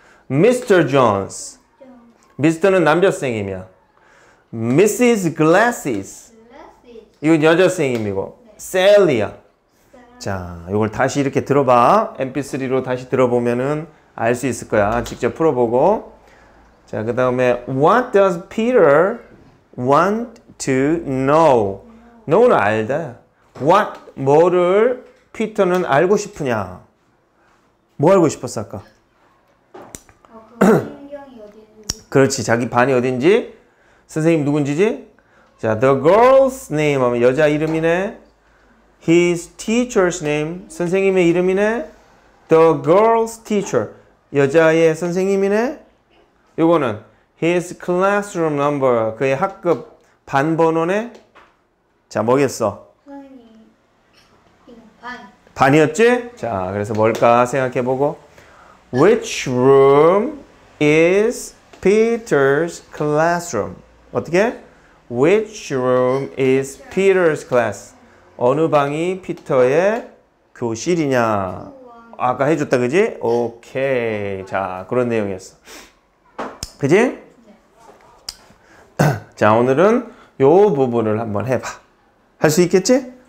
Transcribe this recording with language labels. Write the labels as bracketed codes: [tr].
[ko] Mr. Jones. Mr.는 남자생이야. Mrs. Glasses. 이건 여자생이고. Sally야. 자, 이걸 다시 이렇게 들어봐. MP3로 다시 들어보면은 알 수 있을 거야. 직접 풀어보고. 자, 그 다음에 [en] What does Peter want to know? [ko] know는 알다. What, 뭐를 피터는 알고 싶으냐? 뭐 알고 싶었어 아까? 그렇지, 자기 반이 어딘지, 선생님 누군지지? 자, [en] the girl's name [ko] 하면 여자 이름이네. [en] His teacher's name, [ko] 선생님의 이름이네. [en] The girl's teacher, [ko] 여자의 선생님이네. 요거는 [en] his classroom number, [ko] 그의 학급 반 번호네. 자, 뭐겠어? 반이었지? 자, 그래서 뭘까 생각해보고. [en] Which room is Peter's classroom? [ko] 어떻게? [en] Which room is Peter's class? [ko] 어느 방이 피터의 교실이냐? 아까 해줬다, 그지? 오케이. 자, 그런 내용이었어. 그지? 자, 오늘은 요 부분을 한번 해봐. 할 수 있겠지?